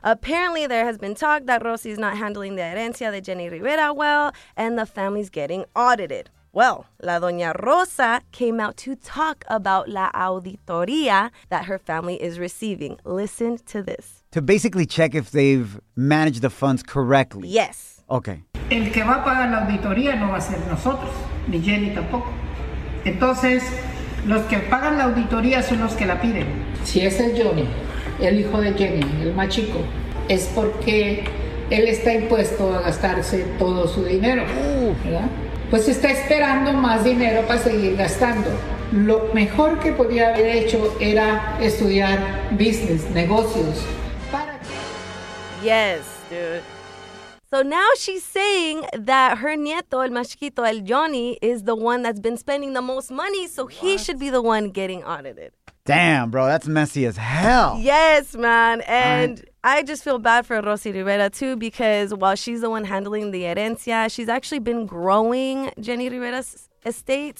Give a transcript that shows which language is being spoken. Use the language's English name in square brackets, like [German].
[English] Apparently, there has been talk that Rosy's not handling the herencia de Jenny Rivera well, and the family's getting audited. Well, la Doña Rosa came out to talk about la auditoría that her family is receiving. Listen to this. To basically check if they've managed the funds correctly. Yes. Okay. [Spanish] El que va a pagar la auditoría no va a ser nosotros, ni Jenny tampoco. Entonces, los que pagan la auditoría son los que la piden. Si es el Johnny, el hijo de Jenny, el más chico, es porque él está impuesto a gastarse todo su dinero, ¿verdad? Pues está esperando más dinero para seguir gastando. Lo mejor que podía haber hecho era estudiar business, negocios. ¿Para qué? [English] Yes, dude. So now she's saying that her nieto, [Spanish] el más chiquito, [English] el Johnny, is the one that's been spending the most money, so what? He should be the one getting audited. Damn, bro, that's messy as hell. Yes, man. And I just feel bad for Rosy Rivera, too, because while she's the one handling the herencia, she's actually been growing Jenny Rivera's estate.